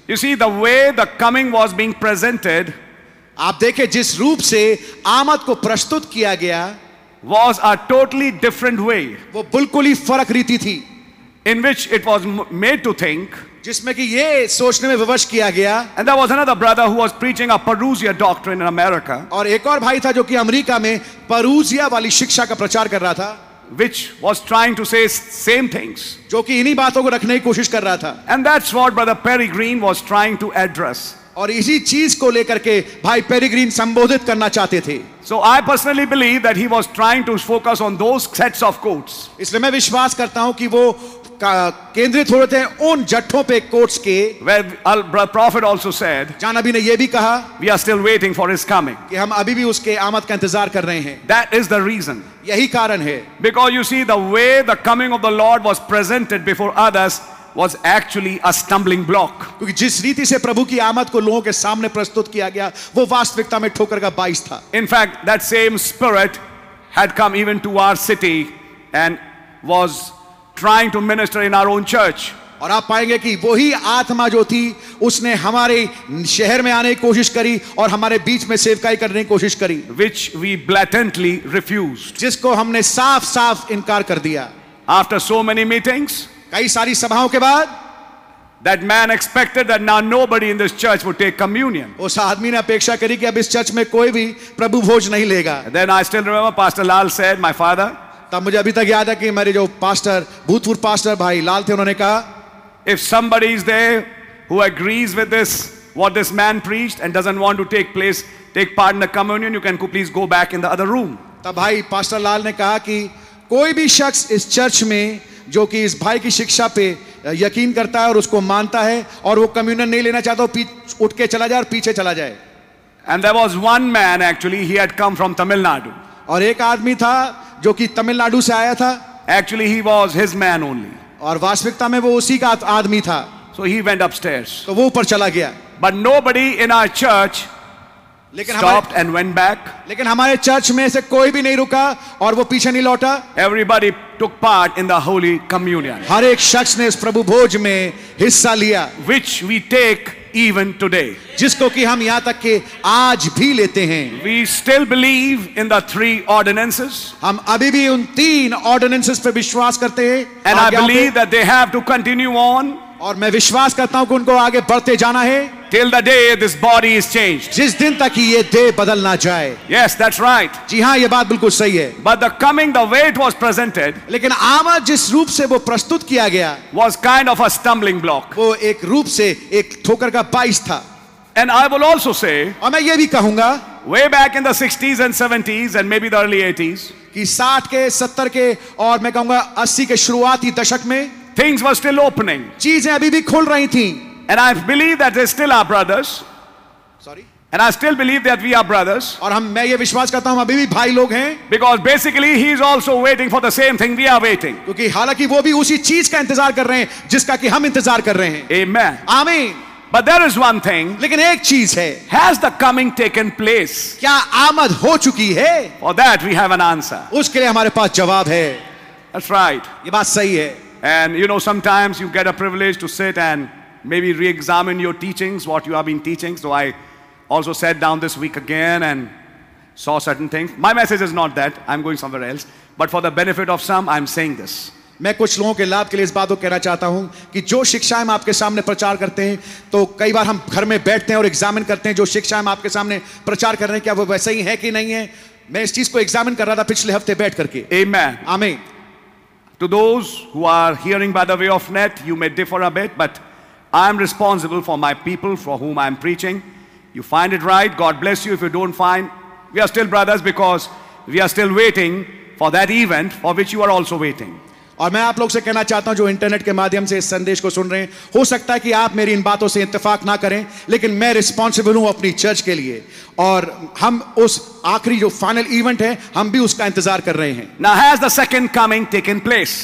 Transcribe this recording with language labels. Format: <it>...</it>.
<en>You see the way the coming was being presented.</en> <hi>आप देखें जिस रूप से आमद को प्रस्तुत किया गया.</hi> <en>Was a totally different way.</en> <hi>वो बिल्कुल ही फर्क रीति थी.</hi> <en>In which it was made to think.</en> <hi>जिसमें कि ये सोचने में विवश किया गया.</hi> <en>And there was another brother who was preaching a parousia doctrine in America.</en> <hi>और एक और भाई था जो कि अमेरिका में परूजिया वाली शिक्षा का प्रचार कर रहा था.</hi> <en>Which was trying to say same things.</en> <hi>जो कि इन्हीं बातों को रखने की कोशिश कर रहा था.</hi> <en>And that's what brother Perry Green was trying to address.</en> <hi>और इसी चीज को लेकर के भाई पेरी ग्रीन संबोधित करना चाहते थे.</hi> <en>So I personally believe that he was trying to focus on those sets of quotes.</en> <hi>इसलिए मैं विश्वास करता हूं कि वो केंद्रित हो रहे थे उन जट्ठों पे कोट्स के.</hi> <en>Prophet also said,</en> <hi>जान अभी ने ये भी कहा,</hi> <en>we are still waiting for his coming.</en> <hi>कि हम अभी भी उसके आमद का इंतजार कर रहे हैं.</hi> <en>That is the reason.</en> <hi>यही कारण है.</hi> <en>Because you see, the way the coming of the Lord was presented before others was actually a stumbling block.</en> <hi>क्योंकि जिस रीति से प्रभु की आमद को लोगों के सामने प्रस्तुत किया गया, वो वास्तविकता में ठोकर का बाइस था.</hi> <en>In fact, that same spirit had come even to our city and was trying to minister in our own church.</en> <hi>और आप पाएंगे कि वही आत्मा जो थी उसने हमारे शहर में आने की कोशिश करी और हमारे बीच में सेवकाई करने की कोशिश करी.</hi> <en>Which we blatantly refused.</en> <hi>जिसको हमने साफ साफ इनकार कर दिया.</hi> <en>After so many meetings,</en> <hi>कई सारी सभाओं के बाद,</hi> <en>that man expected that now nobody in this church would take communion.</en> <hi>उस आदमी ने अपेक्षा करी कि अब इस चर्च में कोई भी प्रभु भोज नहीं लेगा.</hi> <en>Then I still remember Pastor Lal said, my father.</en> <hi>तब मुझे अभी तक याद है कि मेरे जो पास्टर भूतपूर्व पास्टर भाई लाल थे, उन्होंने कहा,</hi> <en>if somebody is there who agrees with this what this man preached and doesn't want to take part in the communion, you can please go back in the other room.</en> <hi>तब भाई pastor लाल ने कहा कि कोई भी शख्स इस church में जो कि इस भाई की शिक्षा पे यकीन करता है और उसको मानता है और वो कम्युनियन नहीं लेना चाहता, उठ के चला जाए और पीछे चला जाए.</hi> <en>And there was one man actually he had come from Tamil Nadu.</en> <hi>और एक आदमी था जो कि तमिलनाडु से आया था.</hi> <en>Actually he was his man only.</en> <hi>और वास्तविकता में वो उसी का आदमी था.</hi> <en>So he went upstairs.</en> <hi>तो वो ऊपर चला गया.</hi> <en>But nobody in our church stopped and went back.</en> <hi>लेकिन हमारे चर्च में से कोई भी नहीं रुका और वो पीछे नहीं लौटा.</hi> <en>Everybody took part in the holy communion.</en> <hi>हर एक शख्स ने इस प्रभु भोज में हिस्सा लिया.</hi> <en>Which we take even today.</en> <hi>जिसको कि हम यहाँ तक के आज भी लेते हैं.</hi> <en>We still believe in the three ordinances.</en> <hi>हम अभी भी उन तीन ordinances पर विश्वास करते हैं.</hi> <en>And I believe that they have to continue on.</en> <hi>और मैं विश्वास करता हूं कि उनको आगे बढ़ते जाना है.</hi> <en>Till the day this body is changed.</en> <hi>जिस दिन तक ये देह बदल ना जाए.</hi> <en>Yes, that's right.</en> <hi>जी हाँ, ये बात बिल्कुल सही है.</hi> <en>But the coming, the way it was presented,</en> <hi>लेकिन आमद जिस रूप से वो प्रस्तुत किया गया,</hi> <en>was kind of a stumbling block.</en> <hi>वो एक रूप से एक ठोकर का बाइस था.</hi> <en>And I will also say,</en> <hi>और मैं ये भी कहूंगा,</hi> <en>way back in the 60s and 70s and maybe the early 80s,</en> <hi>कि 60 के 70 के और मैं कहूंगा 80 के शुरुआती दशक में,</hi> <en>things were still opening.</en> <hi>चीजें अभी भी खुल रही थीं.</hi> <en>And I believe that they still are brothers. Sorry. And I still believe that we are brothers.</en> <hi>और हम मैं ये विश्वास करता हूँ अभी भी भाई लोग हैं.</hi> <en>Because basically he is also waiting for the same thing we are waiting.</en> <hi>क्योंकि हालांकि वो भी उसी चीज का इंतजार कर रहे हैं जिसका कि हम इंतजार कर रहे हैं.</hi> <en>Amen.</en> <hi>Amen.</hi> <en>But there is one thing.</en> <hi>लेकिन एक चीज है.</hi> <en>Has the coming taken place?</en> <hi>क्या आमद हो चुकी है?</hi> <en>For that we have an answer.</en> <hi>उसके लिए हमारे पास जवाब है.</hi> <en>That's right.</en> <hi>ये बात सही है.</hi> <en>And you know, sometimes you get a privilege to sit and maybe re-examine your teachings, what you have been teaching. So I also sat down this week again and saw certain things. My message is not that. I'm going somewhere else. But for the benefit of some, I'm saying this.</en> <hi>मैं कुछ लोगों के लाभ के लिए इस बात को कहना चाहता हूं कि जो शिक्षाएं हम आपके सामने प्रचार करते हैं, तो कई बार हम घर में बैठते हैं और एग्जामिन करते हैं जो शिक्षाएं हम आपके सामने प्रचार कर रहे हैं, क्या वो वैसे ही है कि नहीं है. मैं इस चीज को एग्जामिन कर रहा था पिछले हफ्ते बैठ करके.</hi> <en>Amen.</en> <hi>Amen.</hi> <en>To those who are hearing by the way of net, you may differ a bit, but I am responsible for my people for whom I am preaching. You find it right, God bless you. If you don't find, we are still brothers because we are still waiting for that event for which you are also waiting.</en> <hi>और मैं आप लोग से कहना चाहता हूं जो internet के माध्यम से इस संदेश को सुन रहे हैं, हो सकता है कि आप मेरी इन बातों से इत्तेफाक ना करें, लेकिन मैं रिस्पॉन्सिबल हूं अपनी चर्च के लिए और हम उस आखिरी जो फाइनल इवेंट है, हम भी उसका इंतजार कर रहे हैं.</hi> <en>Now has the second coming taken place?</en>